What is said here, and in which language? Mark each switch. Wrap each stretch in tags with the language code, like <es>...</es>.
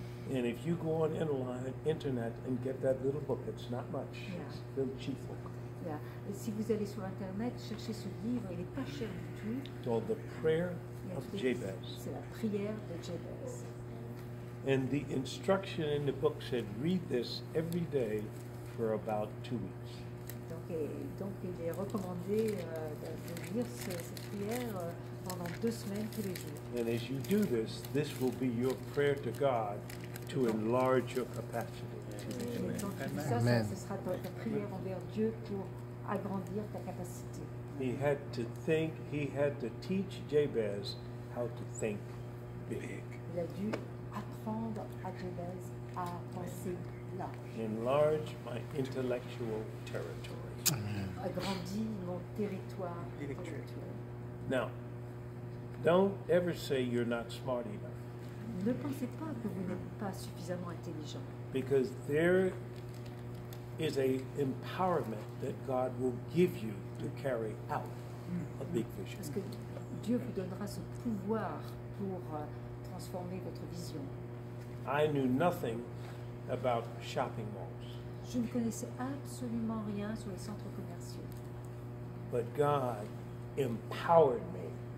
<en>And if you go on internet and get that little book, it's not much. Yeah. It's a little cheap book. Yeah.</en> <fr>Si vous allez sur internet, cherchez ce livre, il est pas cher du tout.</fr> <en>It's called The Prayer of Jabez.</en> <fr>C'est la prière de Jabez.</fr> <en>And the instruction in the book said, read this every day for about 2 weeks.</en> <fr>Donc il est recommandé de lire cette prière pendant 2 semaines tous les jours.</fr> <en>And as you do this, this will be your prayer to God to enlarge your capacity. Amen.</en> <fr>Ça, ce sera ta prière envers Dieu pour agrandir ta capacité.</fr> <en>He had to think, he had to teach Jabez how to think big.</en> <fr>Il a dû apprendre à Jabez à penser large.</fr> <en>Enlarge my intellectual territory.</en> <fr>Agrandis mon territoire intellectuel.</fr> <en>Now, don't ever say you're not smart enough.</en> <fr>Ne pensez pas que vous n'êtes pas suffisamment intelligent.</fr> <en>Because there is a empowerment that God will give you to carry out a big vision.</en> <fr>Parce que Dieu vous donnera ce pouvoir pour transformer votre vision.</fr> <en>I knew nothing about shopping malls.</en> <fr>Je ne connaissais absolument rien sur les centres commerciaux.</fr> <en>But God empowered me.</en>